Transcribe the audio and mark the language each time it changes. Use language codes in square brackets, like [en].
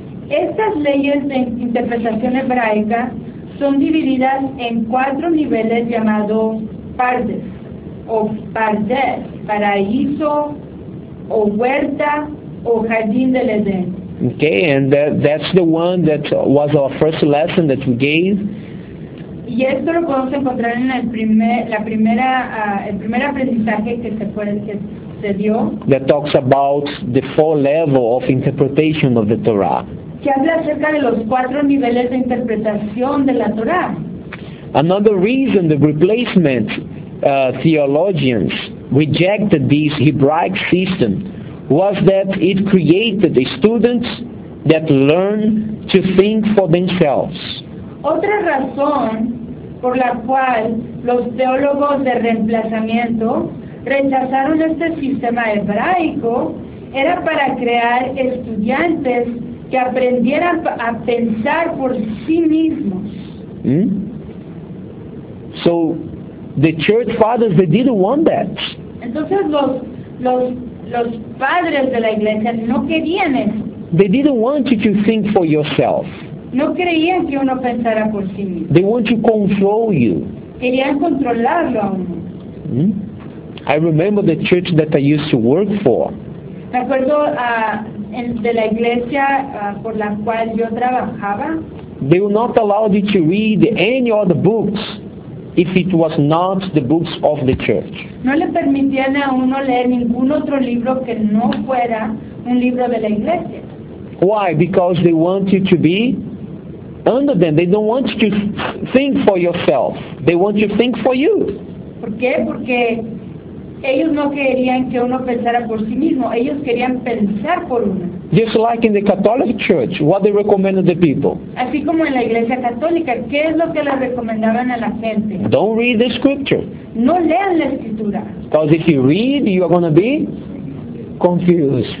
[es] Estas leyes de interpretación hebraica son divididas en cuatro niveles llamados partes, o pardes, paraíso, o huerta, o jardín del Edén. [en] Okay, and that's the one that was our first lesson that we gave. [es] Y esto lo podemos encontrar en el primer aprendizaje que se fue [en] that talks about the four levels of interpretation of the Torah. [es] Que habla acerca de los cuatro niveles de interpretación de la Torah. [en] Another reason the replacement theologians rejected this Hebraic system was that it created the students that learn to think for themselves. [es] Otra razón por la cual los teólogos de reemplazamiento rechazaron este sistema hebraico era para crear estudiantes que aprendieran a pensar por sí mismos. [en] So the church fathers, they didn't want that. [es] Entonces los padres de la iglesia no querían eso. [en] They didn't want you to think for yourself. [es] No creían que uno pensara por sí mismo. [en] They want to control you. [es] Querían controlarlo a uno. [en] I remember the church that I used to work for. [es] Me acuerdo de la iglesia por la cual yo trabajaba. [en] They would not allow you to read any other books if it was not the books of the church. [es] No le permitían a uno leer ningún otro libro que no fuera un libro de la iglesia. [en] Why? Because they want you to be under them. They don't want you to think for yourself. They want you to think for you. [es] ¿Por qué? Porque ellos no querían que uno pensara por sí mismo. Ellos querían pensar por uno. [en] Just like in the Catholic Church, what they recommended the people. [es] Así como en la Iglesia Católica, ¿qué es lo que le recomendaban a la gente? [en] Don't read the scripture. [es] No lean la escritura. [en] Because if you read, you are going to be confused.